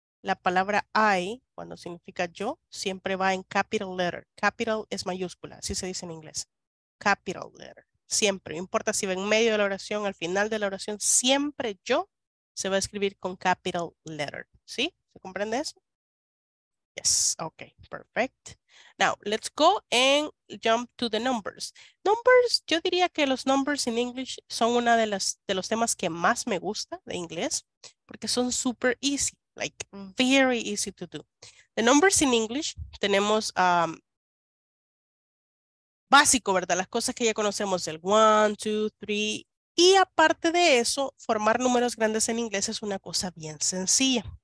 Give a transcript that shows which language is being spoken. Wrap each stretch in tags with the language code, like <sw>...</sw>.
<es>La palabra I, cuando significa yo, siempre va en capital letter. Capital es mayúscula, así se dice en inglés. Capital letter, siempre. No importa si va en medio de la oración, al final de la oración, siempre yo se va a escribir con capital letter. ¿Sí? ¿Se comprende eso?</es> <en>Yes, okay, perfect. Now, let's go and jump to the numbers.</en> <es>Numbers, yo diría que los</es> <en>numbers in English</en> <es>son una de las de los temas que más me gusta de inglés porque son</es> <en>super easy, like very easy to do. The numbers in English</en> <es>tenemos básico, ¿verdad? Las cosas que ya conocemos, el 1, 2, 3. Y aparte de eso, formar números grandes en inglés es una cosa bien sencilla.</es>